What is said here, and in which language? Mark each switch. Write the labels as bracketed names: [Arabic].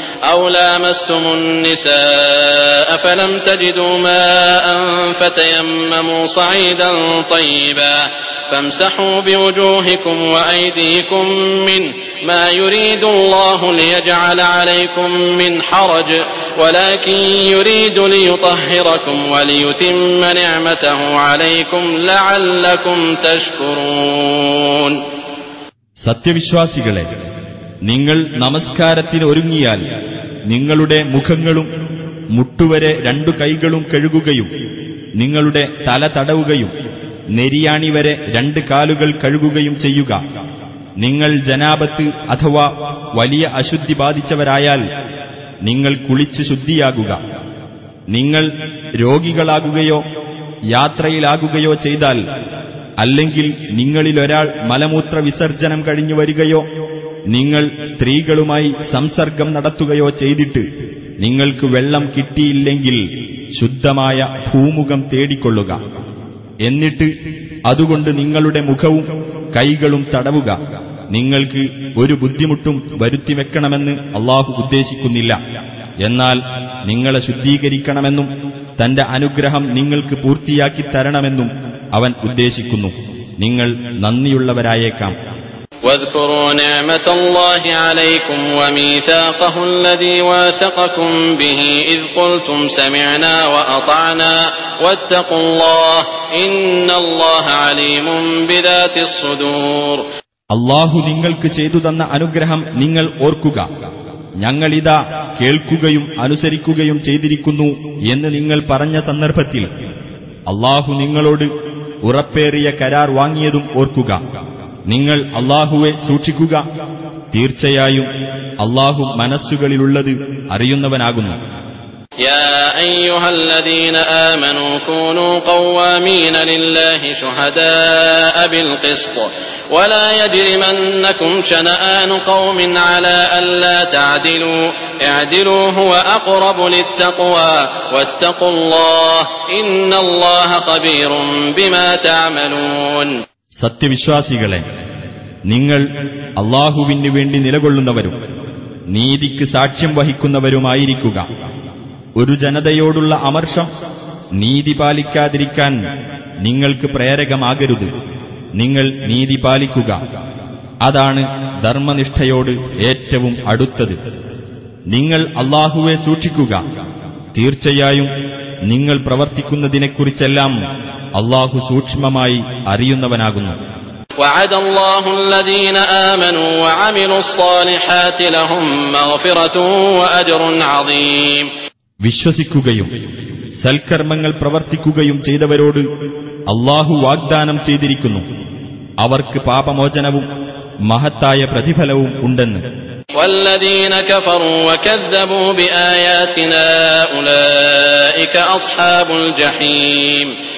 [Arabic] أو لامستم النساء فلم تجدوا ماء فتيمموا صعيدا طيبا فامسحوا بوجوهكم وأيديكم منه ما يريد الله ليجعل عليكم من حرج ولكن يريد ليطهركم وليتم نعمته عليكم لعلكم تشكرون. [Malayalam] സത്യവിശ്വാസികളെ, നിങ്ങൾ നമസ്കാരത്തിന് ഒരുങ്ങിയാൽ നിങ്ങളുടെ മുഖങ്ങളും മുട്ടുവരെ രണ്ടു കൈകളും കഴുകുകയും നിങ്ങളുടെ തല തടവുകയും നെരിയാണി വരെ രണ്ട് കാലുകൾ കഴുകുകയും ചെയ്യുക. നിങ്ങൾ ജനാബത്ത് അഥവാ വലിയ അശുദ്ധി ബാധിച്ചവരായാൽ നിങ്ങൾ കുളിച്ച് ശുദ്ധിയാകുക. നിങ്ങൾ രോഗികളാകുകയോ യാത്രയിലാകുകയോ ചെയ്താൽ, അല്ലെങ്കിൽ നിങ്ങളിലൊരാൾ മലമൂത്ര വിസർജനം കഴിഞ്ഞു വരികയോ നിങ്ങൾ സ്ത്രീകളുമായി സംസർഗം നടത്തുകയോ ചെയ്തിട്ട് നിങ്ങൾക്ക് വെള്ളം കിട്ടിയില്ലെങ്കിൽ ശുദ്ധമായ ഭൂമുഖം തേടിക്കൊള്ളുക. എന്നിട്ട് അതുകൊണ്ട് നിങ്ങളുടെ മുഖവും കൈകളും തടവുക. നിങ്ങൾക്ക് ഒരു ബുദ്ധിമുട്ടും വരുത്തിവെക്കണമെന്ന് അല്ലാഹു ഉദ്ദേശിക്കുന്നില്ല. എന്നാൽ നിങ്ങളെ ശുദ്ധീകരിക്കണമെന്നും തന്റെ അനുഗ്രഹം നിങ്ങൾക്ക് പൂർത്തിയാക്കി തരണമെന്നും അവൻ ഉദ്ദേശിക്കുന്നു. നിങ്ങൾ നന്ദിയുള്ളവരായേക്കാം. [Arabic] واذكروا نعمة الله عليكم وميثاقه الذي واثقكم به إذ قلتم سمعنا وأطعنا واتقوا الله إن الله عليم بذات الصدور. [Malayalam] അല്ലാഹു നിങ്ങൾക്ക് ചെയ്തു തന്ന അനുഗ്രഹം നിങ്ങൾ ഓർക്കുക. ഞങ്ങൾ ഇതാ കേൾക്കുകയും അനുസരിക്കുകയും ചെയ്തിരിക്കുന്നു എന്ന് നിങ്ങൾ പറഞ്ഞ സന്ദർഭത്തിൽ അല്ലാഹു നിങ്ങളോട് ഉറപ്പേറിയ കരാർ വാങ്ങിയതും ഓർക്കുക. നിങ്ങൾ അല്ലാഹുവെ സൂക്ഷിക്കുക. തീർച്ചയായും അല്ലാഹു മനസ്സുകളിലുള്ളത് അറിയുന്നവനാകുന്നു. [Arabic] يا أيها الذين آمنوا كونوا قوامين لله شهداء بالقسط ولا يجرمنكم شنآن قوم على ألا تعدلوا اعدلوا هو أقرب للتقوى واتقوا الله إن الله خبير بما تعملون ستي [Malayalam] വിശ്വാസികളെ നിങ്ങൾ അല്ലാഹുവിന് വേണ്ടി നിലകൊള്ളുന്നവരും നീതിക്ക് സാക്ഷ്യം വഹിക്കുന്നവരുമായിരിക്കുക. ഒരു ജനതയോടുള്ള അമർഷം നീതി പാലിക്കാതിരിക്കാൻ നിങ്ങൾക്ക് പ്രേരകമാകരുത്. നിങ്ങൾ നീതി പാലിക്കുക, അതാണ് ധർമ്മനിഷ്ഠയോട് ഏറ്റവും അടുത്തത്. നിങ്ങൾ അല്ലാഹുവെ സൂക്ഷിക്കുക, തീർച്ചയായും നിങ്ങൾ പ്രവർത്തിക്കുന്നതിനെക്കുറിച്ചെല്ലാം അല്ലാഹു സൂക്ഷ്മമായി അറിയുന്നവനാകുന്നു. [Arabic] وعد الله الذين آمنوا وعملوا الصالحات لهم مغفرة وأجر عظيم [Malayalam] വിശ്വസിക്കുകയും സൽക്കർമ്മങ്ങൾ പ്രവർത്തിക്കുകയും ചെയ്തവരോട് അല്ലാഹു വാഗ്ദാനം ചെയ്തിരിക്കുന്നു, അവർക്ക് പാപമോചനവും മഹത്തായ പ്രതിഫലവും ഉണ്ടെന്ന്. [Arabic] والذين كفروا وكذبوا بآياتنا أولئك أصحاب الجحيم